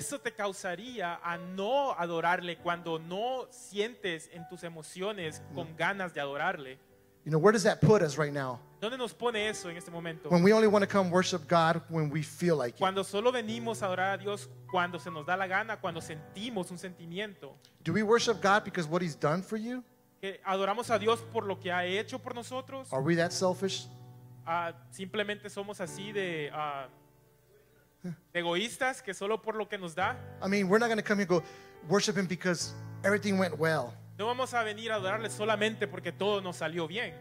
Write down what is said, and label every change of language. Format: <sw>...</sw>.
<es>Eso te causaría a no adorarle cuando no sientes en tus emociones con ganas de adorarle.</es> <en>You know, where does that put us right now?</en> <es>¿Dónde nos pone eso en este momento?</es> <en>When we only want to come worship God when we feel like</en> <es>cuando</es> <en>it.</en> <es>Cuando solo venimos a adorar a Dios cuando se nos da la gana, cuando sentimos un sentimiento.</es> <en>Do we worship God because what he's done for you?</en> <es>¿Adoramos a Dios por lo que ha hecho por nosotros?</es> <en>Are we that selfish?</en> <es>Simplemente somos así de egoístas que solo por lo que nos da.</es> <en>I mean, we're not going to come here and go worship him because everything went well.</en> <es>No vamos a venir a adorarle solamente porque todo nos salió bien.</es>